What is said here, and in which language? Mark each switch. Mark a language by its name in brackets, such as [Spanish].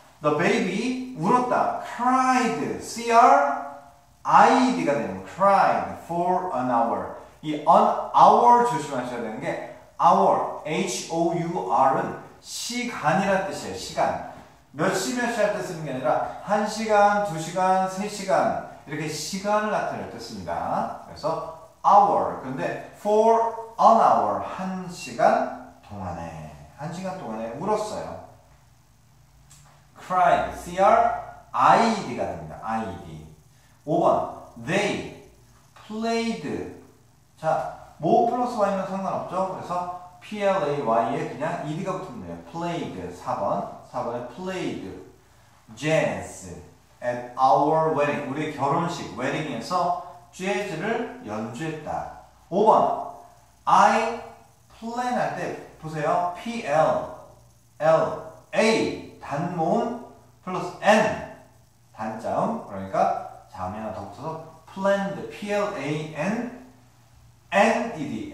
[English] The baby 울었다. cried. cr, ied가 되는 cried for an hour. [Korean] 이 an hour 조심하셔야 되는 게 hour, h-o-u-r은 시간이란 뜻이에요. 시간. 몇시 몇시 할때 쓰는 게 아니라 1시간, 2시간, 3시간 이렇게 시간을 나타낼 때 씁니다. 그래서 hour. 근데 for an hour, 1시간 동안에. 1시간 동안에 울었어요. cried, C-R-I-E-D가 됩니다. [English] I-E-D. 5번, they played. [Korean] 자, 뭐 플러스 y면 상관없죠? 그래서 P-L-A-Y에 그냥 ED가 붙으면 돼요. [English] played, 4번. 4번에 played jazz at our wedding. [Korean] 우리의 결혼식, wedding에서 jazz를 연주했다. 5번, I plan 할 때 보세요. P-L-L-A 단모음 플러스 N 단자음. 그러니까 자음이 하나 더 붙어서 planned, P-L-A-N N-E-D.